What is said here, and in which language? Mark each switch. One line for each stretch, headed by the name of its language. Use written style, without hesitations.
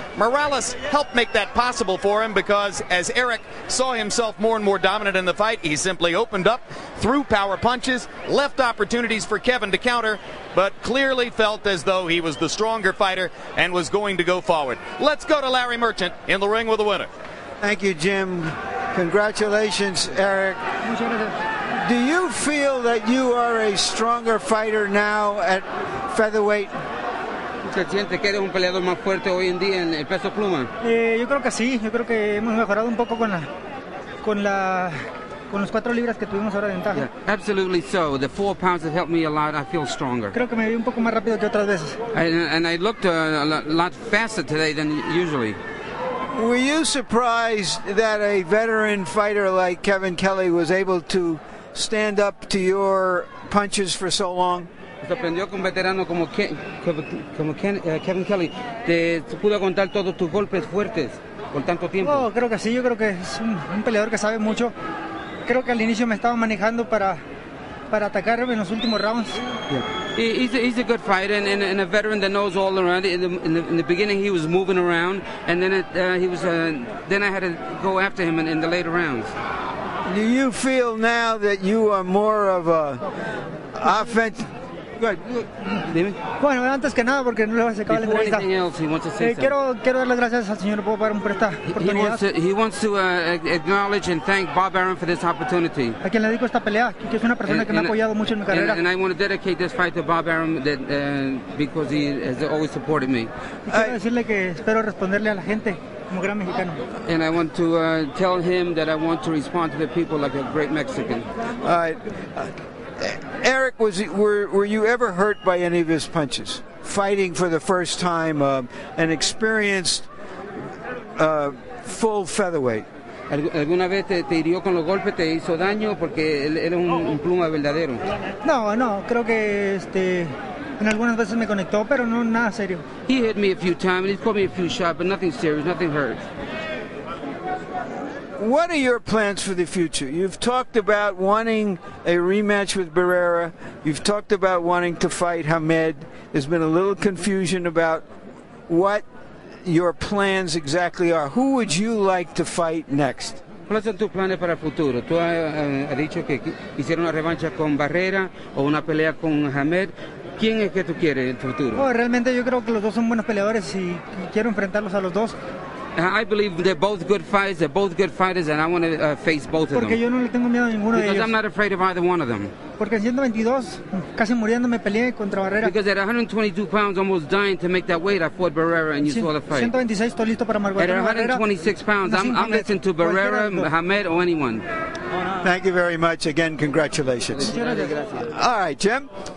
English: Morales helped make that possible for him because as Eric saw himself more and more dominant in the fight, he simply opened up, threw power punches, left opportunities for Kevin to counter, but clearly felt as though he was the stronger fighter and was going to go forward. Let's go to Larry Merchant in the ring with the winner. Thank you, Jim. Congratulations, Eric. Do you feel that you are a stronger fighter now at featherweight?
Spanish: ¿Se siente que eres un peleador más fuerte hoy en día en el peso pluma? Yo creo que sí. Yo creo que hemos mejorado un poco con los 4 libras que tuvimos ahora de ventaja.
English: Yeah, absolutely so. The 4 pounds have helped me a lot. I feel stronger.
Spanish: Creo que me vi un poco más rápido que otras veces.
English: And I looked a lot faster today than usually. Were you surprised that a veteran fighter like Kevin Kelley was able to stand up to your punches for so long?
Spanish: Me sorprendió que un veterano como Kevin Kelley te pudo aguantar todos tus golpes fuertes con tanto tiempo. Oh, creo que sí. Yo creo que es un peleador que sabe mucho. Creo que al inicio me estaba manejando para atacar en los últimos rounds.
English: Yeah. He's a good fighter and a veteran that knows all around. In the beginning, he was moving around, and then I had to go after him in the later rounds. Do you feel now that you are more of a offense? Good.
Spanish: Dime. Bueno, antes que nada, porque no le voy a sacar la entrevista.
English: Before anything else, he wants to say
Spanish: quiero dar las gracias al señor Bob Arum por esta oportunidad.
English: He wants to acknowledge and thank Bob Arum for this opportunity.
Spanish: A quien le dedico esta pelea, que es una persona que me ha apoyado mucho en mi carrera.
English: And I want to dedicate this fight to Bob Arum because he has always supported me.
Spanish: Quiero decirle que espero responderle a la gente como gran mexicano.
English: And I want to tell him that I want to respond to the people like a great Mexican. All right. Eric, were you ever hurt by any of his punches? Fighting for the first time, an experienced full featherweight.
Spanish: ¿Alguna vez te hirió con los golpes? ¿Te hizo daño? Porque él es un pluma verdadero. No, creo que en algunas veces me conectó, pero no nada serio.
English: He hit me a few times, he caught me a few shots, but nothing serious, nothing hurt. What are your plans for the future? You've talked about wanting a rematch with Barrera. You've talked about wanting to fight Hamed. There's been a little confusion about what your plans exactly are. Who would you like to fight next?
Spanish: ¿Cuáles son tus planes para el futuro? Tú has dicho que hicieron una revancha con Barrera o una pelea con Hamed. ¿Quién es que tú quieres en el futuro? Oh, realmente yo creo que los dos son buenos peleadores y quiero enfrentarlos a los dos.
English: I believe they're both good fighters. They're both good fighters, and I want to face both of them.
Spanish: Porque yo no le tengo miedo a ninguno
English: because
Spanish: de ellos.
English: Because I'm not afraid of either one of them.
Spanish: Porque en 122, casi muriéndome, peleé contra Barrera.
English: Because at 122 pounds, almost dying to make that weight, I fought Barrera, and you saw the fight.
Spanish: 126, estoy listo para Margot.
English: At 126 pounds, I'm listening to Barrera, Hamed, or anyone. Thank you very much. Again, congratulations. All right, Jim.